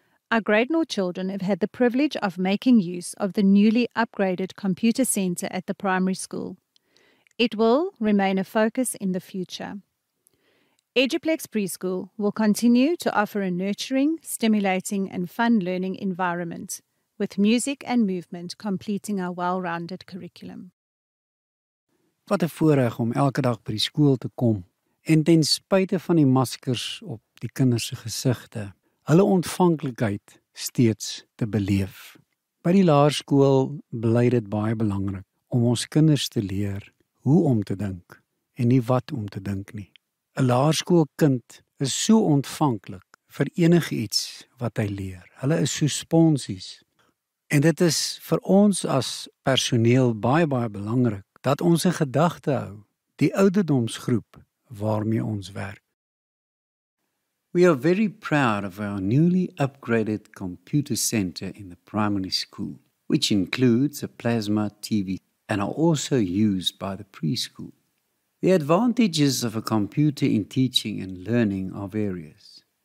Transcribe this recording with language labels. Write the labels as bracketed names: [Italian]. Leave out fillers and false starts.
[English] Our grade 0 children have had the privilege of making use of the newly upgraded computer center at the primary school. It will remain a focus in the future. Eduplex Preschool will continue to offer a nurturing, stimulating, and fun learning environment, with music and movement completing our well-rounded curriculum. [Afrikaans] Wat 'n voorreg om elke dag by die skool te kom. En ten spyte van die maskers op die kinders se gesigte, hulle ontvanklikheid steeds te beleef. By die laerskool bly dit baie belangrik om ons kinders te leer hoe om te dink en nie wat om te dink nie. 'n Laerskoolkind is so ontvanklik vir enigiets wat hy leer. Hulle is so sponsies. En dit is vir ons as personeel baie belangrik dat ons in gedagte hou die ouderdomsgroep waarmee ons werk. [English] We are very proud of our newly upgraded computer center in the primary school, which includes a plasma TV and are also used by the preschool. The advantages of a computer in teaching and learning are various.